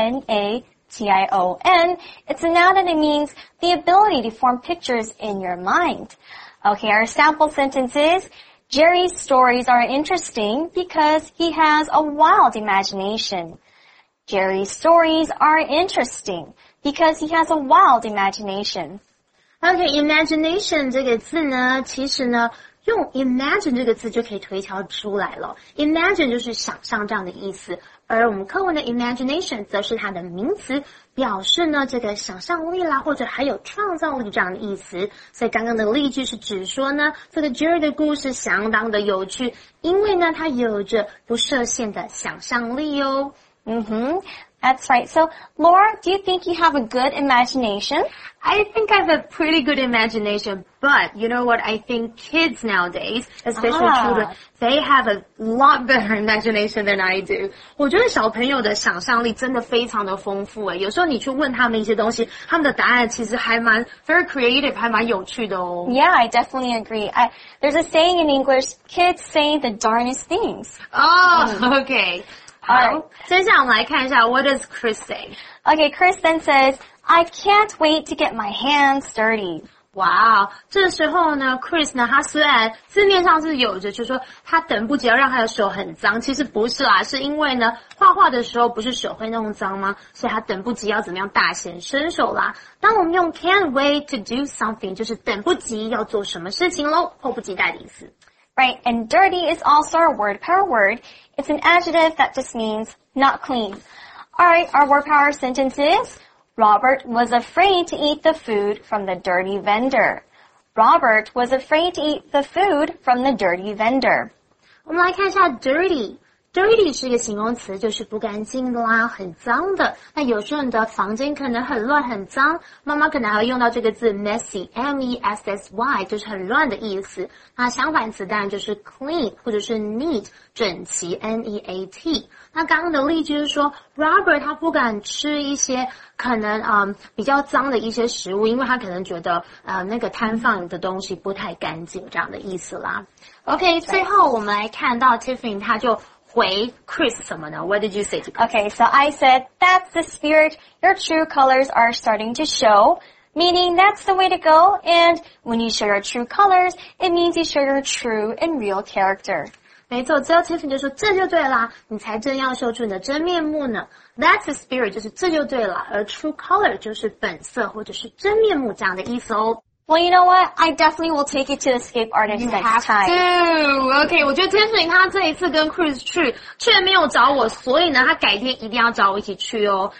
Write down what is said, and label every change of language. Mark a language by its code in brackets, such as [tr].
[en] I-M-A-G-I-N-A-T-I-O-N. It's a noun and it means the ability to form pictures in your mind. Okay, our sample sentence is, Jerry's stories are interesting because he has a wild imagination. Jerry's stories are interesting because he has a wild imagination. [zh] Okay, imagination 这个字呢，其实呢，用 imagine 这个字就可以推敲出来了。 Imagine 就是想象这样的意思，而我们课文的 imagination 则是它的名词，表示呢这个想象力啦，或者还有创造力这样的意思。所以刚刚的例句是指说呢，这个 Jerry 的故事相当的有趣，因为呢他有着不设限的想象力哦。 [en] That's right. So, Laura, do you think you have a good imagination? I think I have a pretty good imagination, but you know what? I think kids nowadays, especially children, they have a lot better imagination than I do. [zh] 我觉得小朋友的想象力真的非常的丰富耶。有时候你去问他们一些东西，他们的答案其实还蛮 [en] very creative, [zh] 还蛮有趣的哦。 [en] Yeah, I definitely agree. There's a saying in English, kids say the darnest things. Okay. [zh] 好，接下来我们来看一下 ， [en] What does Chris say? Okay, Chris then says, "I can't wait to get my hands dirty." [zh] Wow, 这时候呢 ，Chris 呢，他虽然字面上是有着，就是说他等不及要让他的手很脏，其实不是啦，是因为呢，画画的时候不是手会弄脏吗？所以他等不及要怎么样大显身手啦。当我们用 [en] "can't wait to do something," [zh] 就是等不及要做什么事情喽，迫不及待的意思。 [en] Right, and dirty is also our word power word. It's an adjective that just means not clean. All right, our word power sentence is, Robert was afraid to eat the food from the dirty vendor. Robert was afraid to eat the food from the dirty vendor. [zh] 我们来看一下 dirty. Dirty 是一个形容词，就是不干净的啦，很脏的。那有时候你的房间可能很乱很脏，妈妈可能还会用到这个字 messy, M-E-S-S-Y, 就是很乱的意思。那相反词当然就是 clean, 或者是 neat, 整齐 ,N-E-A-T。那刚刚的例句是说 ,Robert 他不敢吃一些可能比较脏的一些食物，因为他可能觉得那个摊放的东西不太干净这样的意思啦。 OK, 最后我们来看到 Tiffany 他就回 Chris 什么呢? [en] What did you say to Chris? Okay, so I said, that's the spirit. Your true colors are starting to show, meaning that's the way to go. And when you show your true colors, it means you show your true and real character. [zh] 没错，最后 Tiffany 就说这就对了，你才正要秀出你的真面目呢。 [en] That's the spirit, [zh] 就是这就对了，而 true color 就是本色或者是真面目这样的意思哦。 [en] Well, you know what? I definitely will take you to escape artist next time. You have to. [zh] Okay, 我觉得 Tiffany 她这一次跟 Chris 去却没有找我，所以呢，她改天一定要找我一起去哦。